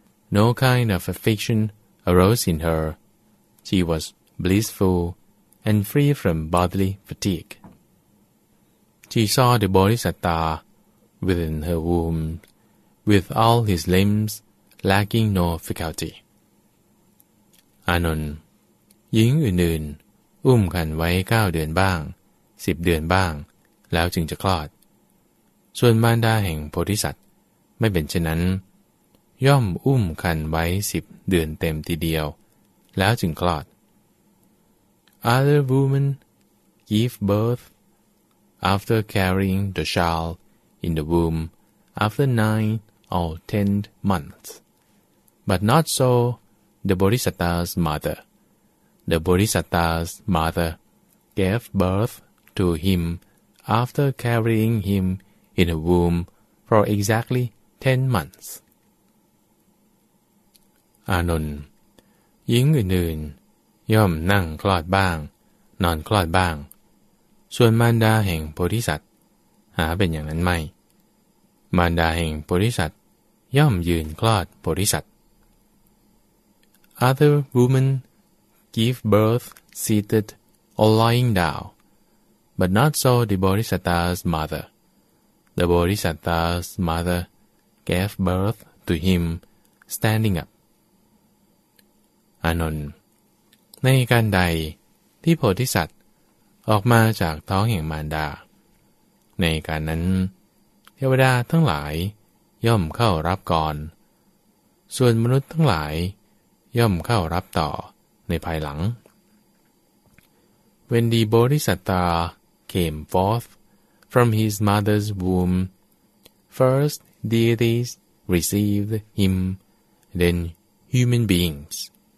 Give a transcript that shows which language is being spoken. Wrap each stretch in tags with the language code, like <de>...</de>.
<en>No kind of affection arose in her. She was blissful and free from bodily fatigue. She saw the Bodhisattva within her womb, with all his limbs lacking no faculty.</en> <th>Anon, หญิงอื่นๆอุ้มครรภ์ไว้9เดือนบ้าง10เดือนบ้างแล้วจึงจะคลอด ส่วนมารดาแห่งโพธิสัตว์ไม่เป็นฉะนั้นย่อมอุ้มคันไว้10เดือนเต็มทีเดียวแล้วจึงคลอด</th> <en>Other women give birth after carrying the child in the womb after 9 or 10 months, but not so the Bodhisattva's mother. The Bodhisattva's mother gave birth to him after carrying him in the womb for exactly 10 months.</en> <th>อานนท์หญิงอื่นๆย่อมนั่งคลอดบ้างนอนคลอดบ้างส่วนมารดาแห่งโพธิสัตว์หาเป็นอย่างนั้นไม่มารดาแห่งโพธิสัตว์ย่อมยืนคลอดโพธิสัตว์</th> <en>Other women give birth seated or lying down, but not so the Bodhisattva's mother. The Bodhisattva's mothergave birth to him standing up.</en> <th>อานนท์ในการใดที่โพธิสัตว์ออกมาจากท้องแห่งมารดาในการนั้นเทวดาทั้งหลายย่อมเข้ารับก่อน ส่วนมนุษย์ทั้งหลายย่อมเข้ารับต่อในภายหลัง</th> <en>When the Bodhisattva came forth from his mother's womb, firstDeities received him, then human beings.</en>